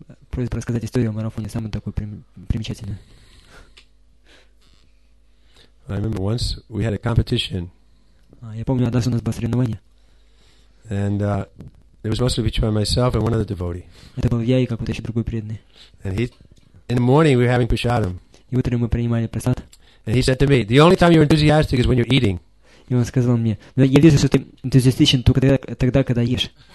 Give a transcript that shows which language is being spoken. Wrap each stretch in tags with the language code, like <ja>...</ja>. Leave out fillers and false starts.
<ru>Просьба рассказать историю о марафоне, самую такую примечательную.</ru> <en>I remember once we had a competition.</en> <ru>Я помню, однажды у нас было соревнование.</ru> <en>And it was mostly between myself and one other devotee.</en> <ru>Это был я и какой-то еще другой преданный.</ru> <en>And he, in the morning we were having prasadam.</en> <ru>И утром мы принимали прасад.</ru> <en>And he said to me, "The only time you're enthusiastic is when you're eating."</en> <ru>И он сказал мне, я вижу, что ты энтузиастичен только тогда, когда ешь.</ru>